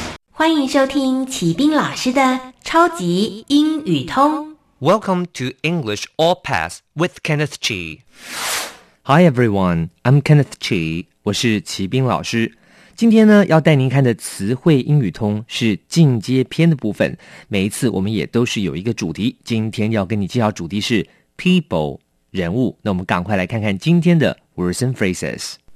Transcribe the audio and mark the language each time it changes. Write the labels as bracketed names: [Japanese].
[Chinese] 欢迎收听启斌老师的超级英语通。 [English] Welcome to English All Pass with Kenneth Chi. Hi everyone, I'm Kenneth Chi. [Chinese] 我是齐斌老师。今天呢，要带您看的词汇英语通是进阶篇的部分。每一次我们也都是有一个主题，今天要跟你介绍主题是 people 人物。那我们赶快来看看今天的 [English] words and phrases.